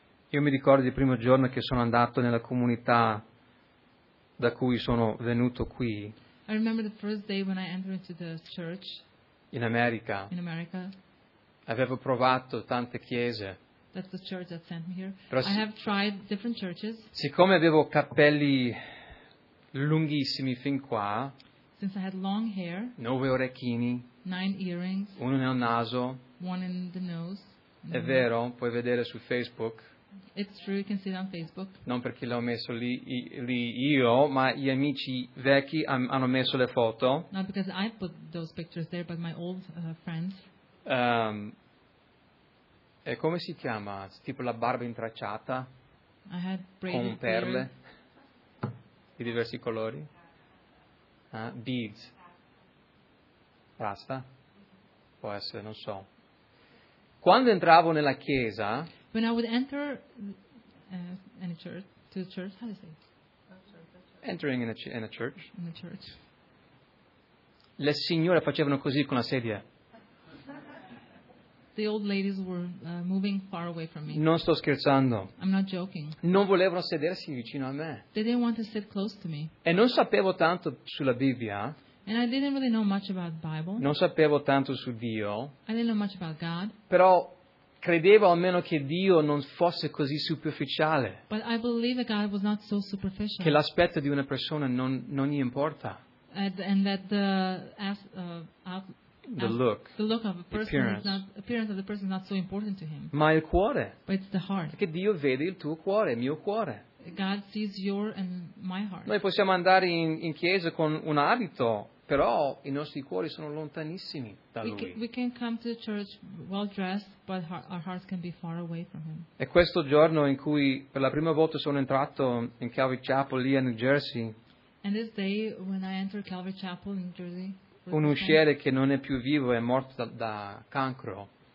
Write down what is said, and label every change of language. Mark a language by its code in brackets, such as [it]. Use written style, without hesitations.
[it] Io mi ricordo il primo giorno che sono andato nella comunità da cui sono venuto qui. [en] I remember the first day when I entered into the church. [it] In America. [en] In America. [it] Avevo provato tante chiese. [en] That's the church that sent me here. [it] Però [en] I have tried different churches. [it] Siccome avevo capelli lunghissimi fin qua. [en] Since I had long hair. [it] 9 orecchini. [en] 9 earrings. [it] Uno nel naso. [en] One in the nose. [it] È vero, puoi vedere su Facebook. [en] It's true, you can see it on Facebook. [it] Non perché l'ho messo lì io, ma gli amici vecchi hanno messo le foto. [en] Not because I put those pictures there, but my old friends. [it] E come si chiama? Tipo la barba intracciata? [en] I had braided [it] con perle [en] hair. [it] Di diversi colori? Beads? Rasta? Può essere, non so. Quando entravo nella chiesa. [en] When I would enter any church, to the church, how do you say it? Entering in a church. In a church. [it] Le signore facevano così con la sedia. [en] The old ladies were moving far away from me. [it] Non sto scherzando. [en] I'm not joking. [it] Non volevano sedersi vicino a me. [en] They didn't want to sit close to me. [it] E non sapevo tanto sulla Bibbia. [en] And I didn't really know much about the Bible. [it] Non sapevo tanto su Dio. [en] I didn't know much about God. [it] Però credevo almeno che Dio non fosse così superficiale. [en] But I believe that God was not so superficial. [it] Che l'aspetto di una persona non gli importa. [en] And that the look of a person, appearance of the person is not so important to him. [it] Ma il cuore. [en] But it's the heart. [it] Perché Dio vede il tuo cuore, il mio cuore. [en] God sees your and my heart. [it] Noi possiamo andare in chiesa con un abito, però i nostri cuori sono lontanissimi da lui. [en] We can come to church well dressed, but our hearts can be far away from him. [it] E questo giorno in cui per la prima volta sono entrato in Calvary Chapel lì a New Jersey. [en] And this day when I entered Calvary Chapel in New Jersey. [it] Un usciere che non è più vivo è morto da cancro.